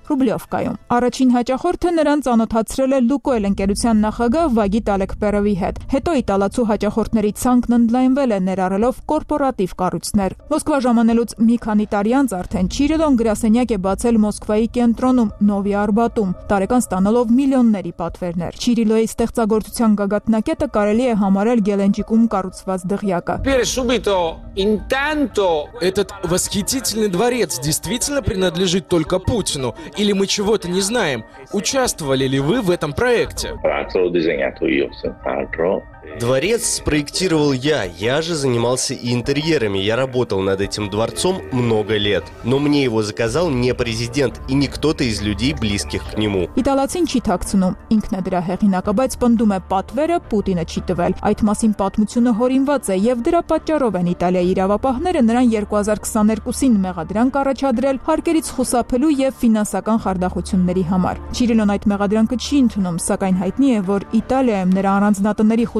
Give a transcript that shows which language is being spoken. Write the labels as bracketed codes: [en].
[hy] Ռուբլյովկայում։ Առաջին հաճախորդը նրան ծանոթացրել է Լուկոյլ ընկերության նախագահ Վագիտ Ալեքպերովի հետ։ Հետո իտալացու հաճախորդների ցանկն ընդլայնվել է ներառելով կորպորատիվ կառույցներ։ Մոսկվա ժամանելուց մի քանի տարի անց արդեն Չիրիլոն գրասենյակ է բացել Մոսկվայի կենտրոնում Նովի Արբատում, տարեկան ստանալով միլիոնների պատվերներ։ Չիրիլոյի ստեղծագործության գագաթնակետը կարելի է համարել Գելենջիկում կառուցված դղյակը։ [ru] Этот восхитительный дворец действительно принадлежит только Путину? Или мы чего-то не знаем? Участвовали ли вы в этом проекте? Дворец спроектировал я. Я же занимался и интерьерами. Я работал над этим дворцом много лет. Но мне его заказал не президент и не кто-то из людей, близких к нему. [hy] Իտալացին չի թաքցնում, ինքն է դրա հեղինակը, բայց պնդում է պատվերը Պուտինը չի տվել։ Այդ մասին պատմությունը հորինված է եւ դրա պատճառով են Իտալիայի իրավապահները նրան 2022-ին մեղադրանք առաջադրել հարկերից խուսափելու եւ ֆինանսական խարդախությունների համար։ Չիրիլոն այդ մեղադրանքը չի ընդունում, սակայն հայտնի է, որ Իտալիայում նրա առանձնատների